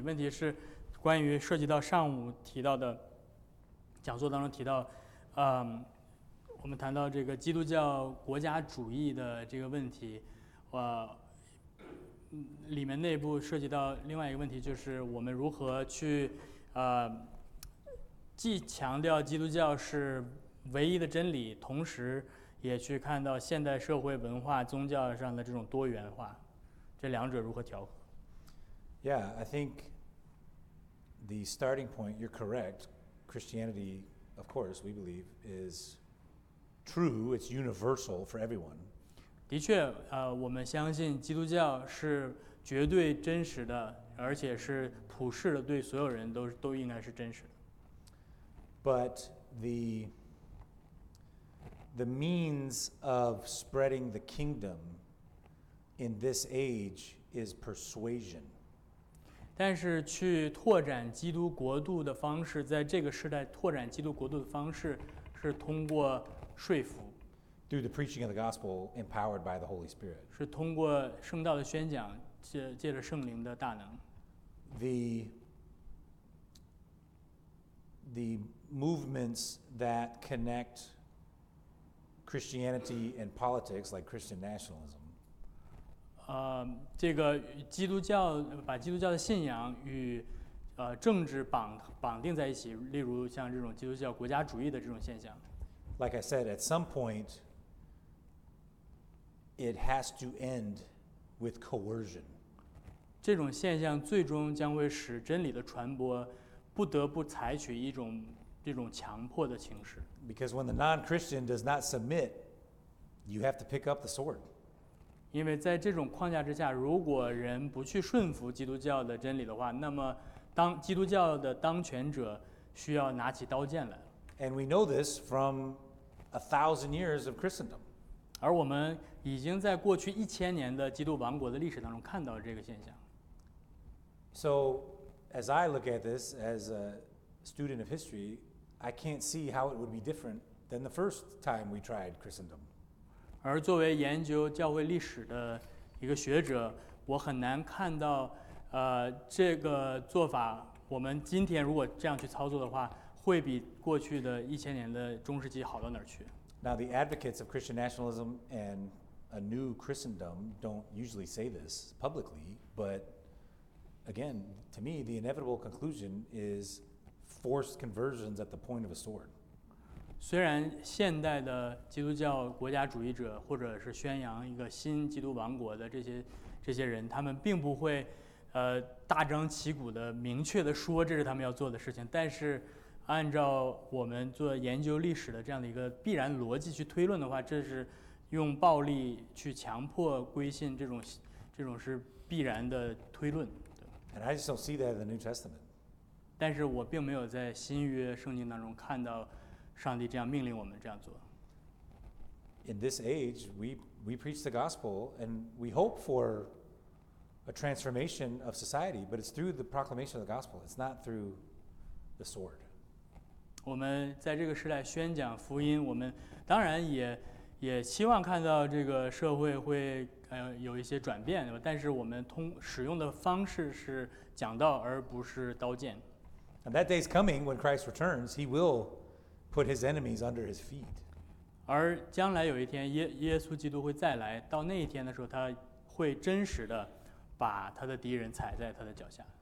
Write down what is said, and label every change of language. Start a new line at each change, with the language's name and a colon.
Chinese: 问题是关于涉及到上午提到的讲座当中提到，我们谈到这个基督教国家主义的这个问题，里面内部涉及到另外一个问题，就是我们如何去既强调基督教是唯一的真理，同时也去看到现代社会文化宗教上的这种多元化，这两者如何调和。
English: Yeah, I think the starting point, you're correct. Christianity, of course, we believe, is true. It's universal for everyone.
Chinese: 的确，我们相信基督教是绝对真实的，而且是普世的，对所有人都应该是真实的。
English: But the means of spreading the kingdom in this age is persuasion.
Chinese: 但是去拓展基督国度的方式，在这个时代拓展基督国度的方式是通过说服。
English: Through the preaching of the gospel empowered by the Holy Spirit.
Chinese: 是通过圣道的宣讲，借着圣灵的大能。
English: The movements that connect Christianity and politics, like Christian nationalism,
Chinese: 这个基督教把基督教的信仰与政治绑定在一起，例如像这种基督教国家主义的这种现象。
English: Like I said, at some point, it has to end with coercion.
Chinese: 这种现象最终将会使真理的传播不得不采取这种强迫的形式。
English: Because when the non-Christian does not submit, you have to pick up the sword.
Chinese: 因为在这种框架之下，如果人不去顺服基督教的真理的话，那么当基督教的当权者需要拿起刀剑来。
English: And we know this from 1,000 years of Christendom.
Chinese: 而我们已经在过去1000年的基督王国的历史当中看到这个现象。
English: So, as I look at this as a student of history, I can't see how it would be different than the first time we tried Christendom.
Chinese: 而作为研究教会历史的一个学者，我很难看到，这个做法，我们今天如果这样去操作的话，会比过去的1000年的中世纪好到哪儿去。
English: Now the advocates of Christian nationalism and a new Christendom don't usually say this publicly, but again, to me, the inevitable conclusion is forced conversions at the point of a sword.
Chinese: 虽然现代的基督教国家主义者或者是宣扬一个新基督王国的这些人，他们并不会大张旗鼓的明确的说这是他们要做的事情，但是按照我们做研究历史的这样的一个必然逻辑去推论的话，这是用暴力去强迫归信，这种是必然的推论。
English: And I just don't see that in the New Testament.
Chinese: 但是我并没有在新约圣经当中看到上帝这样命令我们这样做。
English: In this age, we preach the gospel and we hope for a transformation of society, but it's through the proclamation of the gospel. It's not through the sword.
Chinese: 我们在这个时代宣讲福音，我们当然也希望看到这个社会会有一些转变，对吧？但是我们使用的方式是讲道，而不是刀剑。
English: And that day is coming when Christ returns. He will put his enemies under his feet.
Chinese: 而将来有一天，耶稣基督会再来，到那一天的时候，他会真实的把他的敌人踩在他的脚下。